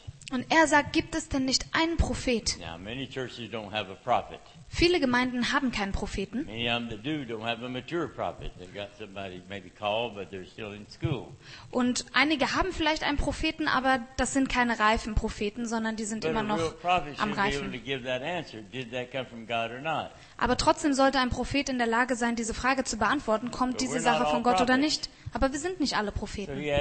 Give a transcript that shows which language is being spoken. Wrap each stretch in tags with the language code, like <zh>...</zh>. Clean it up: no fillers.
<de>Und er sagt, gibt es denn nicht einen Prophet?</de> <en>Now, many churches don't have a prophet.</en> <de>Viele Gemeinden haben keinen Propheten.</de> <en>Many of them don't have a mature prophet. They got somebody maybe called, but they're still in school.</en> <de>Und einige haben vielleicht einen Propheten, aber das sind keine reifen Propheten, sondern die sind</de> <en>but</en> <de>immer noch am Reifen.</de> <en>To give that answer. Did that come from God or not?</en> <de>Aber trotzdem sollte ein Prophet in der Lage sein, diese Frage zu beantworten, kommt diese Sache von Gott oder nicht? Aber wir sind nicht alle Propheten.</de>